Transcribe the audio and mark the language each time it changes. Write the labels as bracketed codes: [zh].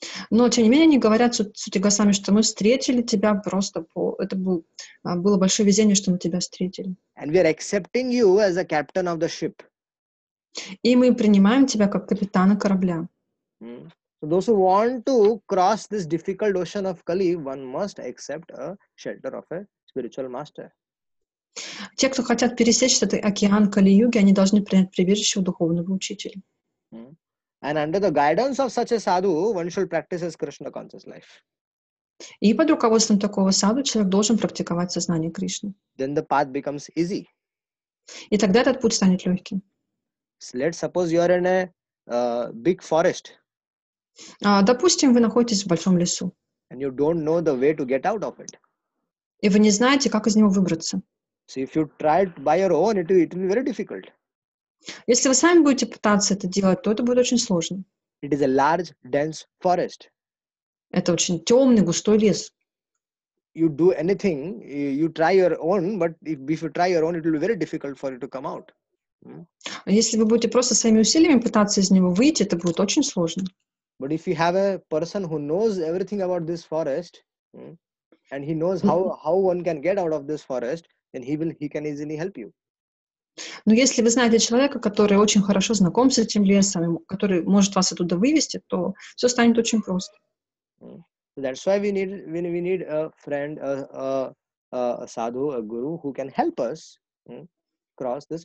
[ru] Но, тем не менее, они говорят Сутте Госвами, что мы встретили тебя просто это было большое везение, что мы тебя встретили. [en] And we are accepting you as a captain of the ship. [ru] И мы принимаем тебя как капитана корабля. [en] So those who want to cross this difficult ocean of Kali, one must accept a shelter of a spiritual master. [ru] Те, кто хотят пересечь этот океан Кали-юги, они должны принять прибежище у духовного учителя. [en] And under the guidance of such a sadhu, one should practice his Krishna conscious life. [ru] И под руководством такого саду человек должен практиковать сознание Кришны. [en] Then the path becomes easy. [ru] И тогда этот путь станет легким. [en] So let's suppose you are in a big forest. [ru] Допустим, вы находитесь в большом лесу. [en] And you don't know the way to get out of it. [ru] И вы не знаете, как из него выбраться. [en] So if you try it by your own, it will be very difficult. [ru] Если вы сами будете пытаться это делать, то это будет очень сложно. [en] It is a large, dense forest. [ru] Это очень темный, густой лес. [en] You do anything, you try your own, but if you try your own, it will be very difficult for you to come out. [ru] Если вы будете просто своими усилиями пытаться из него выйти, это будет очень сложно. [en] But if you have a person who knows everything about this forest, and he knows how one can get out of this forest, then he can easily help you. [ru] Но если вы знаете человека, который очень хорошо знаком с этим лесом, который может вас оттуда вывести, то все станет очень просто. [en] That's why we need a friend, a, a, sadhu, a guru who can help us cross this